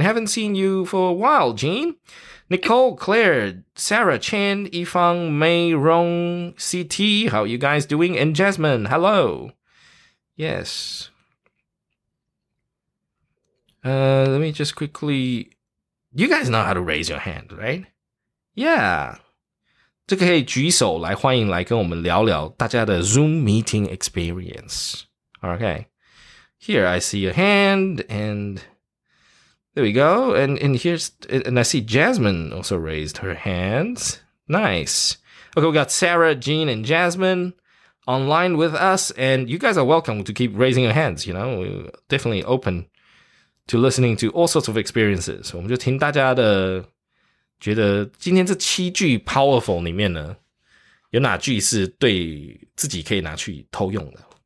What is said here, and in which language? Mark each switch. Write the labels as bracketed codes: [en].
[en] Haven't seen you for a while, Jean. Nicole, Claire, Sarah, Chen, Yifang, Mei, Rong, CT, how are you guys doing? And Jasmine, hello. Yes. Let me just quickly... You guys know how to raise your hand, right? Yeah. [zh] 这个可以举手来欢迎来跟我们聊聊大家的 [en] Zoom meeting experience. Okay. Here, I see your hand and... There we go. And here's, and I see Jasmine also raised her hands. Nice. Okay, we got Sarah, Jean, and Jasmine online with us. And you guys are welcome to keep raising your hands. You know, we're definitely open to listening to all sorts of experiences. [zh] 我们就听大家的觉得今天这七句 powerful 里面呢，有哪句是对自己可以拿去偷用的。